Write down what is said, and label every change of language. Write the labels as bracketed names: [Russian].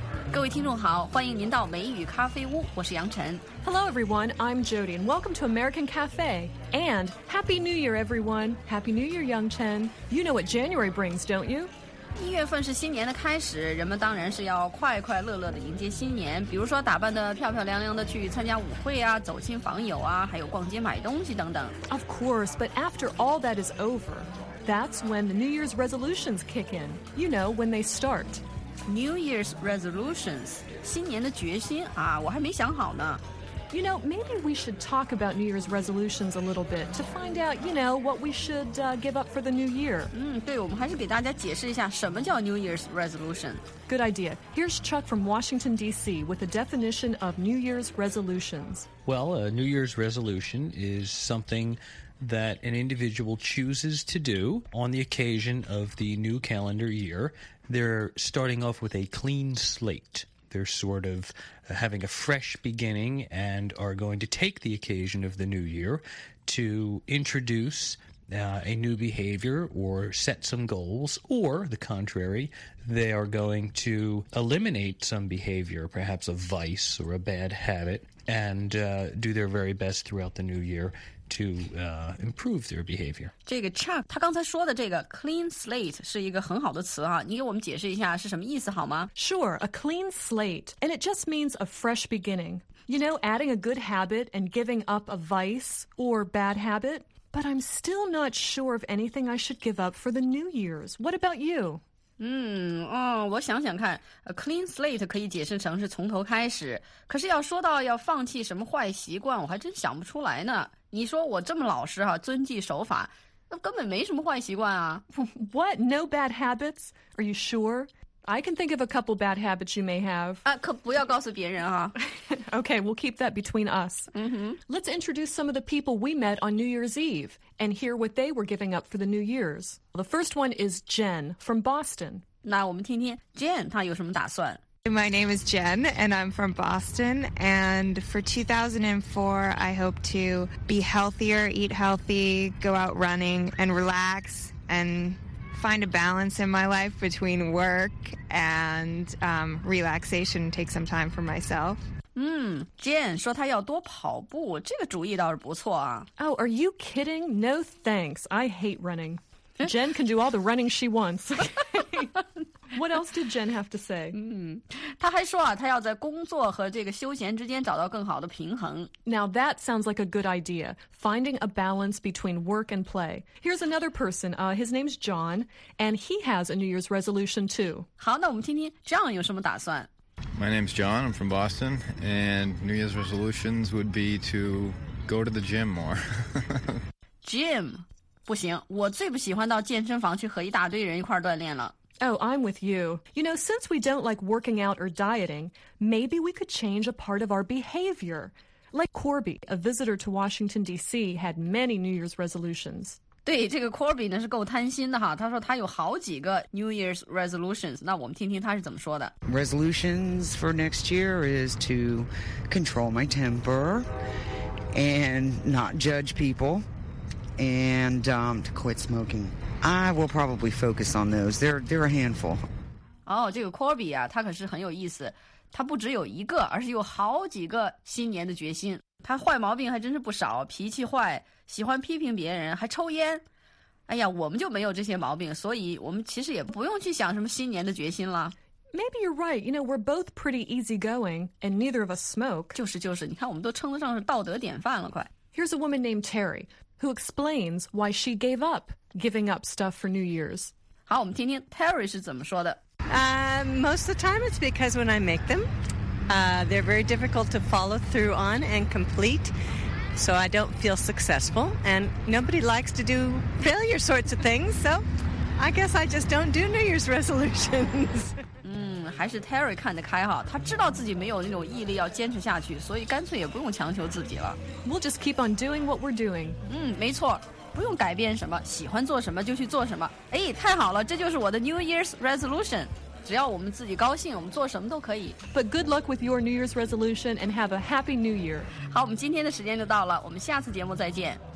[Chinese] 各位听众好，欢迎您到美语咖啡屋，我是杨晨。 [English] Hello everyone, I'm Jody, and welcome to American Cafe. And Happy New Year, everyone. Happy New Year, Yang Chen. You know what January brings, don't you? [Chinese] 一月份是新年的开始，人们当然是要快快乐乐的迎接新年，比如说打扮得漂漂亮亮的去参加舞会啊，走亲访友啊，还有逛街买东西等等。 [English] Of course, but after all that is over, that's when the New Year's resolutions kick in. You know, when they start. [Chinese] New Year's resolutions, 新年的决心啊，我还没想好呢。 [English] You know, maybe we should talk about New Year's resolutions a little bit to find out, you know, what we should give up for the new year. [Chinese] 对，我们还是给大家解释一下什么叫 New Year's resolution. [English] Good idea. Here's Chuck from Washington, D.C. with a definition of New Year's resolutions. Well, a New Year's resolution is something that an individual chooses to do on the occasion of the new calendar year. They're starting off with a clean slate. They're sort of having a fresh beginning and are going to take the occasion of the new year to introduce a new behavior or set some goals, or the contrary, they are going to eliminate some behavior, perhaps a vice or a bad habit, and do their very best throughout the new year. To improve their behavior. [Chinese] 这个 Chuck, 他刚才说的这个 clean slate 是一个很好的词啊，你给我们解释一下是什么意思好吗？ [English] Sure, a clean slate, and it just means a fresh beginning. You know, adding a good habit and giving up a vice or bad habit. But I'm still not sure of anything I should give up for the New Year's. What about you? [Chinese] 我想想看 ，a clean slate 可以解释成是从头开始。可是要说到要放弃什么坏习惯，我还真想不出来呢。你说我这么老实哈、啊，遵纪守法，那根本没什么坏习惯啊。 [English] What? No bad habits? Are you sure? I can think of a couple bad habits you may have. [Chinese] 啊，可不要告诉别人啊。 [English] Okay, we'll keep that between us. Let's introduce some of the people we met on New Year's Eve and hear what they were giving up for the New Year's. The first one is Jen from Boston. [Chinese] 那我们听听 Jen 她有什么打算。 [English] My name is Jen, and I'm from Boston. And for 2004, I hope to be healthier, eat healthy, go out running, and relax, and find a balance in my life between work and relaxation, take some time for myself. [Chinese] Jen 说她要多跑步，这个主意倒是不错啊。 [English] Oh, are you kidding? No thanks. I hate running. Jen can do all the running she wants. What else did Jen have to say? [Chinese] 她还说啊，她要在工作和这个休闲之间找到更好的平衡。 [English] Now that sounds like a good idea, finding a balance between work and play. Here's another person. His name's John, and he has a New Year's resolution too. [Chinese] 好，那我们听听 John 有什么打算。 [English] My name's John, I'm from Boston, and New Year's resolutions would be to go to the gym more. Gym? [Chinese] 不行，我最不喜欢到健身房去和一大堆人一块锻炼了。 [English] Oh, I'm with you. You know, since we don't like working out or dieting, maybe we could change a part of our behavior. Like Corby, a visitor to Washington, D.C., had many New Year's resolutions. [Chinese] 对这个 Corby 呢是够贪心的哈，他说他有好几个 New Year's resolutions， 那我们听听他是怎么说的。 [English] Resolutions for next year is to control my temper and not judge people and to quit smoking. I will probably focus on those. They're a handful. [Chinese] 哦，这个 Corby 啊，他可是很有意思，他不只有一个，而是有好几个新年的决心。他坏毛病还真是不少，脾气坏，喜欢批评别人，还抽烟。哎呀，我们就没有这些毛病，所以我们其实也不用去想什么新年的决心了。 [English] Maybe you're right. You know, we're both pretty easygoing, and neither of us smoke. [Chinese] 就是，你看我们都称得上是道德典范了，快。 [English] Here's a woman named Terry, who explains why she gave up giving up stuff for New Year's. [Chinese] 好，我们听听 Terry 是怎么说的。 [English] Most of the time it's because when I make them,they're very difficult to follow through on and complete, so I don't feel successful, and nobody likes to do failure sorts of things, so I guess I just don't do New Year's resolutions. [Chinese] 还是 Terry 看得开哈，他知道自己没有那种毅力要坚持下去，所以干脆也不用强求自己了。 [English] We'll just keep on doing what we're doing. [Chinese] 没错，不用改变什么，喜欢做什么就去做什么。哎，太好了，这就是我的 New Year's resolution。只要我们自己高兴，我们做什么都可以。 [English] But good luck with your New Year's resolution and have a happy New Year. [Chinese] 好，我们今天的时间就到了，我们下次节目再见。